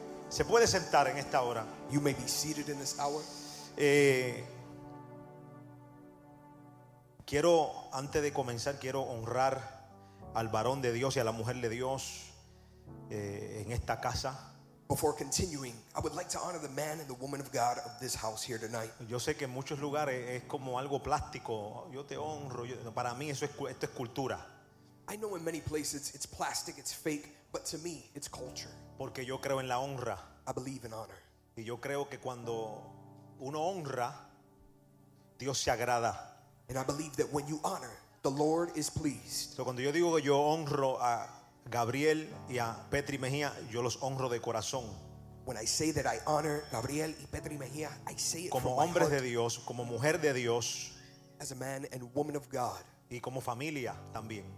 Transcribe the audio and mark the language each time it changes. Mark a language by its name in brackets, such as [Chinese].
[Spanish] Se puede sentar en esta hora. [English] You may be seated in this hour. [Spanish] Quiero, antes de comenzar, quiero honrar al varón de Dios y a la mujer de Dios en esta casa. [English] Before continuing, I would like to honor the man and the woman of God of this house here tonight. [Spanish] Yo sé que en muchos lugares es como algo plástico. Yo te honro. Para mí eso es, esto es cultura. [English] I know in many places it's plastic, it's fake, but to me it's culture. [Spanish] Porque yo creo en la honra. [English] I believe in honor. [Spanish] Y yo creo que cuando uno honra, Dios se agrada. [English] And I believe that when you honor, the Lord is pleased. [Spanish] So cuando yo digo que yo honro a Gabriel y a Petri Mejía, yo los honro de corazón. [English] When I say that I honor Gabriel y Petri Mejía, I say it [Spanish] como [English] from [Spanish] hombres [English] my heart, [Spanish] de Dios, como mujer de Dios, [English] as a man and woman of God, [Spanish] y como familia también.